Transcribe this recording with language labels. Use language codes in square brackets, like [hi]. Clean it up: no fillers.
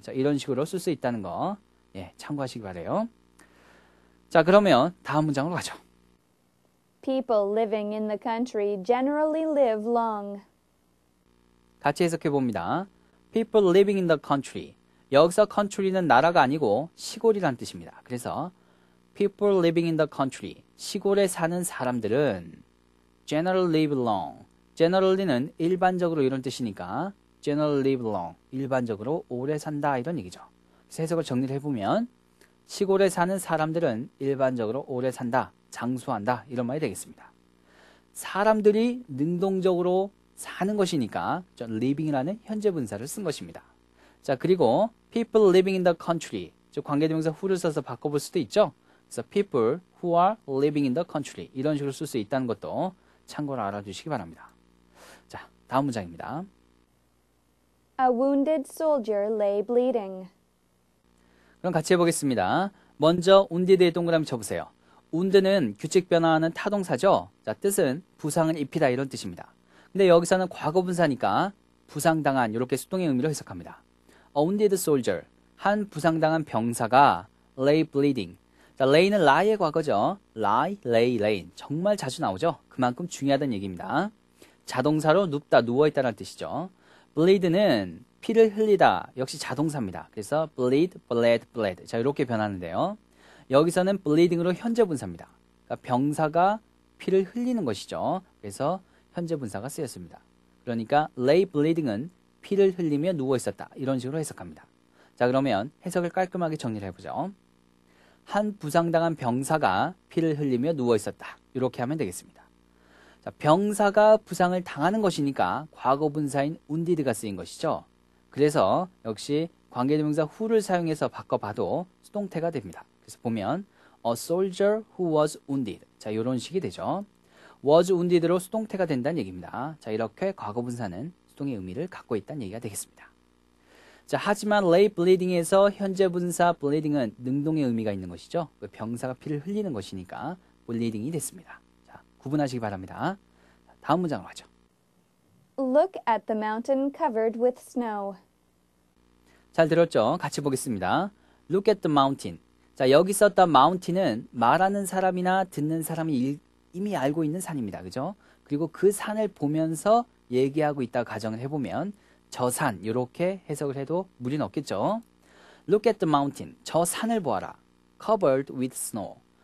[ko] 자, 이런 식으로 쓸 수 있다는 거. 예, 참고하시기 바래요. 자, 그러면 다음 문장으로 가죠. [en] People living in the country generally live long. [ko] 같이 해석해 봅니다. [en] People living in the country. [ko] 여기서 country는 나라가 아니고 시골이란 뜻입니다. [en] 그래서 people living in the country. [ko] 시골에 사는 사람들은 [en] generally live long. [ko] generally는 일반적으로 이런 뜻이니까 [en] generally live long. [ko] 일반적으로 오래 산다 이런 얘기죠. 그래서 해석을 정리를 해보면 시골에 사는 사람들은 일반적으로 오래 산다, 장수한다 이런 말이 되겠습니다. 사람들이 능동적으로 사는 것이니까 living이라는 현재 분사를 쓴 것입니다. 자, 그리고 [en] people living in the country, [ko] 즉 관계대명사 who를 써서 바꿔볼 수도 있죠. 그래서 [en] people who are living in the country [ko] 이런 식으로 쓸 수 있다는 것도 참고로 알아주시기 바랍니다. 자, 다음 문장입니다. [en] A wounded soldier lay bleeding. [ko] 그럼 같이 해보겠습니다. 먼저 wounded의 동그라미 쳐보세요. wound는 규칙 변화하는 타동사죠. 자, 뜻은 부상을 입히다 이런 뜻입니다. 근데 여기서는 과거분사니까 부상당한 이렇게 수동의 의미로 해석합니다. [en] A wounded soldier, [ko] 한 부상당한 병사가 [en] lay bleeding. [ko] 자, lay는 lie의 과거죠. lie, lay, lain. 정말 자주 나오죠. 그만큼 중요하다는 얘기입니다. 자동사로 눕다, 누워있다는 뜻이죠. bleed는 피를 흘리다. 역시 자동사입니다. 그래서 bleed, bled, bled. 자, 이렇게 변하는데요. 여기서는 bleeding으로 현재 분사입니다. 그러니까 병사가 피를 흘리는 것이죠. 그래서 현재 분사가 쓰였습니다. 그러니까 lay bleeding은 피를 흘리며 누워있었다. 이런 식으로 해석합니다. 자, 그러면 해석을 깔끔하게 정리를 해보죠. 한 부상당한 병사가 피를 흘리며 누워있었다. 이렇게 하면 되겠습니다. 자, 병사가 부상을 당하는 것이니까 과거분사인 wounded가 쓰인 것이죠. 그래서 역시 관계대명사 who를 사용해서 바꿔봐도 수동태가 됩니다. [en] 그래서 보면 a soldier who was wounded. [ko] 자, 이런 식이 되죠. was wounded로 수동태가 된다는 얘기입니다. 자, 이렇게 과거분사는 수동의 의미를 갖고 있다는 얘기가 되겠습니다. 자, 하지만 lay bleeding에서 현재분사 bleeding은 능동의 의미가 있는 것이죠. 병사가 피를 흘리는 것이니까 bleeding이 됐습니다. 구분하시기 바랍니다. 다음 문장으로 가죠. [en] Look at the mountain covered with snow. [ko] 잘 들었죠? 같이 보겠습니다. [en] Look at the mountain. [ko] 자, 여기 썼던 mountain은 말하는 사람이나 듣는 사람이 이미 알고 있는 산입니다. 그죠? 그리고 그 산을 보면서 얘기하고 있다 가정을 해보면 저 산, 이렇게 해석을 해도 무리는 없겠죠? [en] Look at the mountain. [ko] 저 산을 보아라. [en] Covered with snow.